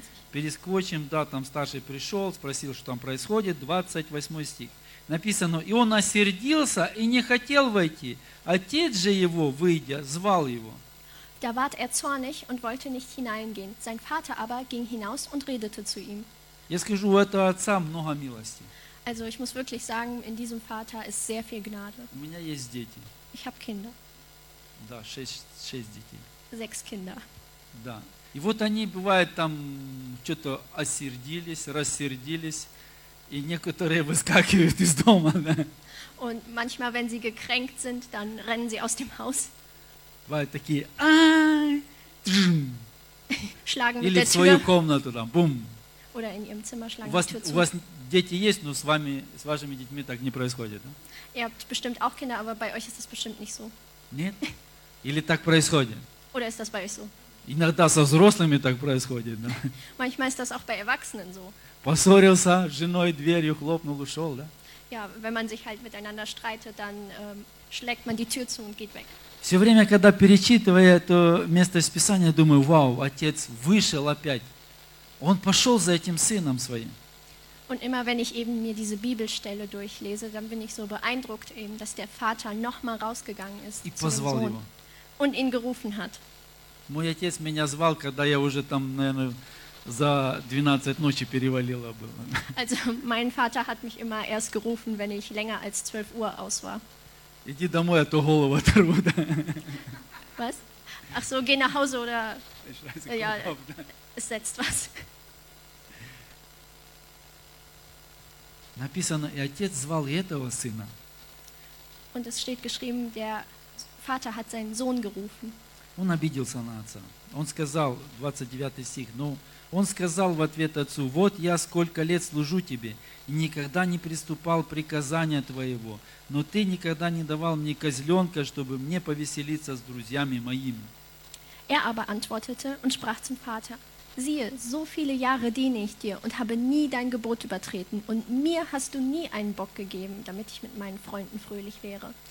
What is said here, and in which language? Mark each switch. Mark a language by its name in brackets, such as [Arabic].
[Russian] Перескочим, да, там старший пришел, спросил, что там происходит. 28 стих. Написано, и он осердился и не хотел войти. Отец же его, выйдя, звал его. [German] Da ward er zornig und wollte nicht hineingehen. Sein Vater aber ging hinaus und redete zu ihm. [Russian] Я скажу, у этого отца много милости. [German] Also ich muss wirklich sagen, in diesem Vater ist sehr viel Gnade. [Russian] У меня есть дети. [German] Ich habe Kinder. [Russian] Да, шесть детей. [German] Sechs Kinder. [Russian] Да. И вот они, бывает, там что-то осердились, рассердились, и некоторые выскакивают из дома. Да? [German] Und manchmal, wenn sie gekränkt sind, dann rennen sie aus dem Haus. [Russian] Бывают такие, ааа, [German] schlagen [Russian] или [German] mit der [Russian] в свою [German] Tür. [Russian] Комнату, там, бум. [German] Oder in ihrem Zimmer schlagen [Russian] у вас, [German] die Tür zu. [Russian] У вас дети есть, но с вами, с вашими детьми так не происходит. Да? [German] Ihr habt bestimmt auch Kinder, aber bei euch ist das bestimmt nicht so. [Russian] Нет? Или так происходит? [German] Oder ist das bei euch so? [Russian] Иногда со взрослыми так происходит. Да? [German] Manchmal ist das auch bei Erwachsenen so. [Russian] Поссорился с женой, дверью хлопнул, ушел, да? [German] Ja, wenn man sich halt miteinander streitet, dann schlägt man die Tür zu und geht weg. [Russian] Все время, когда перечитывая это место из Писания, думаю, вау, отец вышел опять. Он пошел за этим сыном своим. [German] Und immer, wenn ich eben mir diese Bibelstelle durchlese, dann bin ich so beeindruckt eben, dass der Vater nochmal rausgegangen ist zu dem Sohn und ihn gerufen hat. [Russian] Мой отец меня звал, когда я уже там, наверное, за 12 ночи перевалила было. [German] Also, mein Vater hat mich immer erst gerufen, wenn ich länger als 12 Uhr aus war. [Russian] Иди домой, а то голову оторву. [German] Was? Ach so, geh nach Hause oder... Ja, es setzt was. [Russian] Написано, и отец звал этого сына. [German] Und es steht geschrieben, der Vater hat seinen Sohn gerufen. [Russian] Он обиделся на отца. Он сказал, 29 стих, но он сказал в ответ отцу, вот я сколько лет служу тебе, и никогда не приступал приказания твоего, но ты никогда не давал мне козленка, чтобы мне повеселиться с друзьями моими. [German] Er aber antwortete und sprach zum Vater, siehe, so viele Jahre diene ich dir und habe nie dein Gebot übertreten und mir hast du nie einen Bock gegeben, damit ich mit meinen Freunden fröhlich wäre.